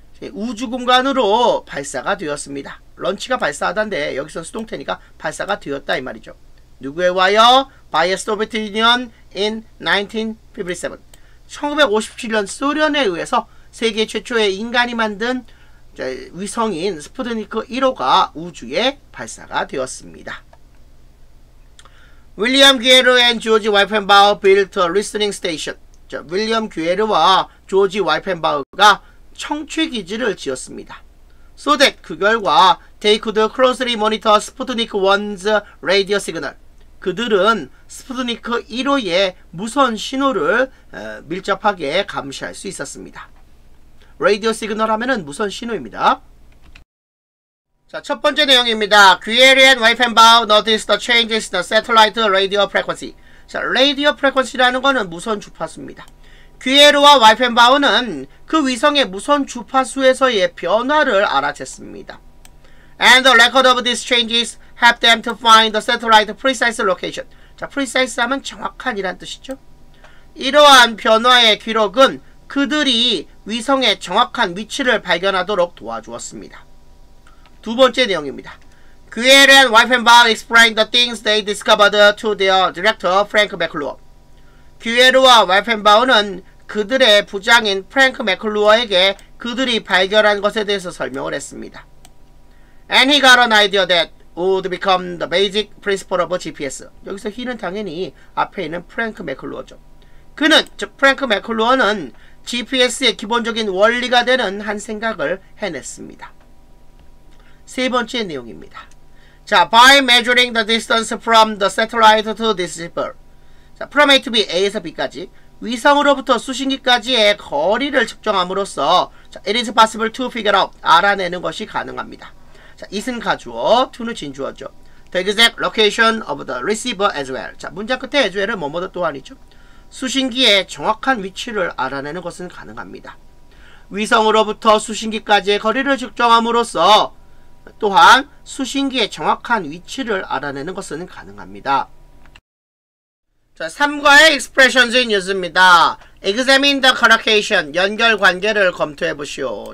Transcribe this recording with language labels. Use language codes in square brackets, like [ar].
[ko] 우주공간으로 발사가 되었습니다. 런치가 발사하던데 여기서 수동태니까 발사가 되었다 이 말이죠. 누구에 와요? [en] By a Soviet Union in 1957. [ko] 1957년 소련에 의해서 세계 최초의 인간이 만든 위성인 스푸트니크 1호가 우주에 발사가 되었습니다. [en] William Guerre and George Weifenbaum built a listening station. [ko] 자, 윌리엄 규에르와 조지 와이펜바우가 청취기지를 지었습니다. [en] So that [ko] 그 결과 [en] they could closely monitor Sputnik 1's radio signal. [ko] 그들은 스푸트니크 1호의 무선 신호를 밀접하게 감시할 수 있었습니다. 라디오 시그널 하면은 무선 신호입니다. 자, 첫 번째 내용입니다. [en] Guerre and Weifenbaum noticed the changes in the satellite radio frequency. [ko] 자, 라디오 프레퀀시라는 거는 무선 주파수입니다. Guerre와 Weifenbaum은 그 위성의 무선 주파수에서의 변화를 알아챘습니다. [en] And the record of these changes help them to find the satellite precise location. [ko] 자, precise 하면 정확한이란 뜻이죠. 이러한 변화의 기록은 그들이 위성의 정확한 위치를 발견하도록 도와주었습니다. 두 번째 내용입니다. [en] Guerre and Weifenbaum explained the things they discovered to their director, Frank McClure. [ko] Guerre와 Weifenbaum은 그들의 부장인 프랭크 맥클루어에게 그들이 발견한 것에 대해서 설명을 했습니다. [en] And he got an idea that would become the basic principle of GPS. [ko] 여기서 he는 당연히 앞에 있는 프랭크 맥클루어죠. 그는, 즉 프랭크 맥클루어는 GPS의 기본적인 원리가 되는 한 생각을 해냈습니다. 세 번째 내용입니다. [en] 자, by measuring the distance from the satellite to this ship. [ko] 자, [en] from A to B, [ko] A에서 B까지 위성으로부터 수신기까지의 거리를 측정함으로써 자, [en] it is possible to figure out, [ko] 알아내는 것이 가능합니다. 자, it은 가주어, to는 진주어죠. [en] The exact location of the receiver as well. [ko] 자, 문장 끝에 as well은 뭐뭐도 또한이죠. 수신기의 정확한 위치를 알아내는 것은 가능합니다. 위성으로부터 수신기까지의 거리를 측정함으로써 또한 수신기의 정확한 위치를 알아내는 것은 가능합니다. 자, 3과의 [en] expressions in use [ko] 입니다. [en] Examine the collocation, [ko] 연결 관계를 검토해 보시오.